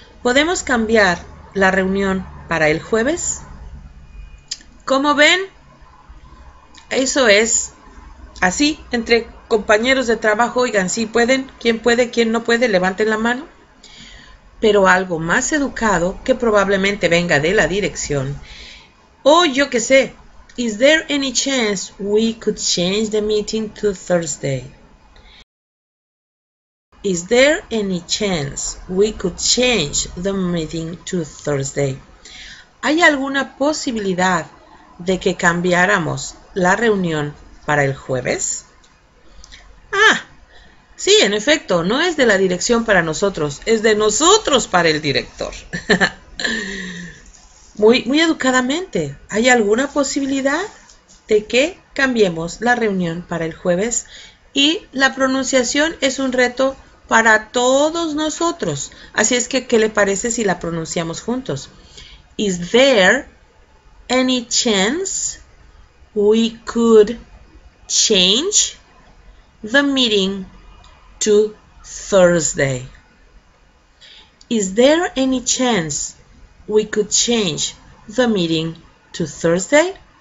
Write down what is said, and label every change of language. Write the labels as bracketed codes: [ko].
[es] ¿Podemos cambiar la reunión para el jueves? ¿Cómo ven? Eso es así, entre compañeros de trabajo, oigan, ¿sí pueden? ¿Quién puede? ¿Quién no puede? Levanten la mano. Pero algo más educado, que probablemente venga de la dirección. Oh, yo qué sé. [en] Is there any chance we could change the meeting to Thursday? Is there any chance we could change the meeting to Thursday? [es] ¿Hay alguna posibilidad de que cambiáramos la reunión para el jueves? Ah, sí, en efecto, no es de la dirección para nosotros, es de nosotros para el director. Muy, muy educadamente, ¿hay alguna posibilidad de que cambiemos la reunión para el jueves? Y la pronunciación es un reto para todos nosotros. Así es que, ¿qué le parece si la pronunciamos juntos? [en] Is there any chance we could change the meeting to Thursday? Is there any chance we could change the meeting to Thursday?